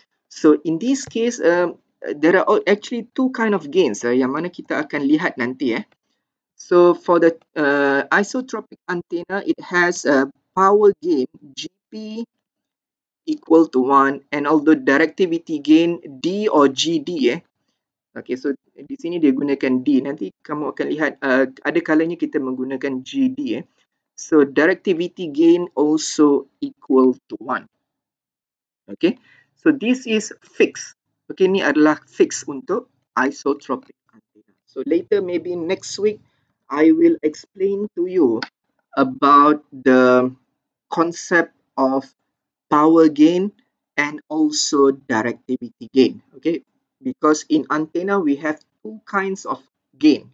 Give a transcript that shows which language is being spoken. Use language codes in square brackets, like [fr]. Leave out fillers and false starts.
[en] So in this case, there are actually two kind of gains [ms] yang mana kita akan lihat nanti. [en] So for the isotropic antenna, it has a power gain GP equal to 1 and although directivity gain D or GD. [ms] Okay, so di sini dia gunakan D. Nanti kamu akan lihat ada kalanya kita menggunakan GD. [en] So directivity gain also equal to 1. Okay, so this is fixed. Okay, [ms] ni adalah fixed untuk isotropic antenna. [en] So later, maybe next week, I will explain to you about the concept of power gain and also directivity gain. Okay. Because in antenna, we have two kinds of gain.